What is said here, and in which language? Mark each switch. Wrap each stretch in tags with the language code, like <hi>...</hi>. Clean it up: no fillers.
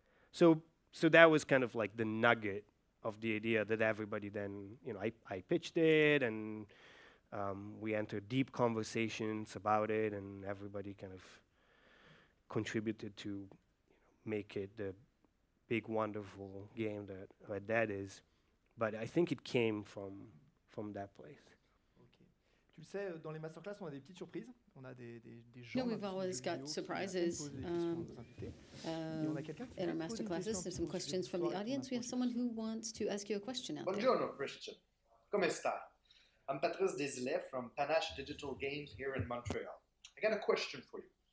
<en>So that was kind of like the nugget of the idea that everybody then, you know, I pitched it, and we entered deep conversations about it, and everybody kind of contributed to, you know, make it the big, wonderful game that is. But I think it came from that place. Okay.</en> <fr>Tu le sais, dans les masterclass, on a des petites surprises. On a des gens.</fr> <en>No, we've always got surprises. In our masterclasses, there's some questions from the audience. We have someone who wants to ask you a question out there.</en> <fr>Bonjour, Christian. Comment est-ce que tu?</fr> <en>I'm Patrice Desilets from Panache Digital Games here in Montreal. I got a question for you.</en>